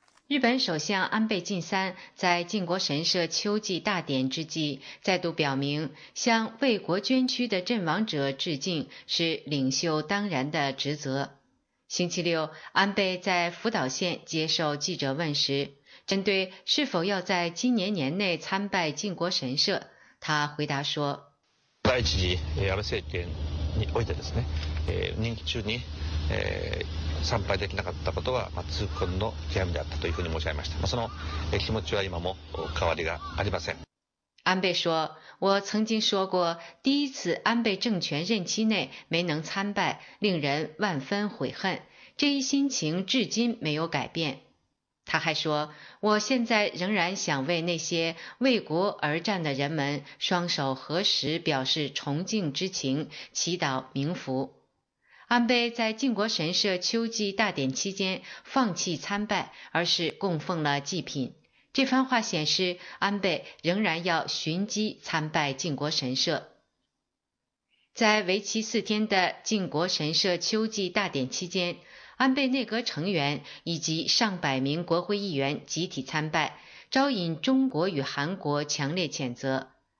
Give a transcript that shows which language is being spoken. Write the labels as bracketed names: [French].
[Chinese] 日本首相安倍晋三在靖国神社秋季大典之际再度表明，向为国捐躯的阵亡者致敬是领袖当然的职责。星期六，安倍在福岛县接受记者问时，针对是否要在今年年内参拜靖国神社，他回答说， [Japanese] 第一次安倍政権においてですね、任期中に参拝できなかったことは痛恨の極みであったというふうに申し上げました。その気持ちは今も変わりがありません。 [Chinese] 安倍说，我曾经说过，第一次安倍政权任期内没能参拜，令人万分悔恨，这一心情至今没有改变。他还说，我现在仍然想为那些为国而战的人们双手合十，表示崇敬之情，祈祷冥福。安倍在靖国神社秋季大典期间放弃参拜，而是供奉了祭品。这番话显示，安倍仍然要寻机参拜靖国神社。在为期4天的靖国神社秋季大典期间，安倍内阁成员以及上百名国会议员集体参拜，招引中国与韩国强烈谴责。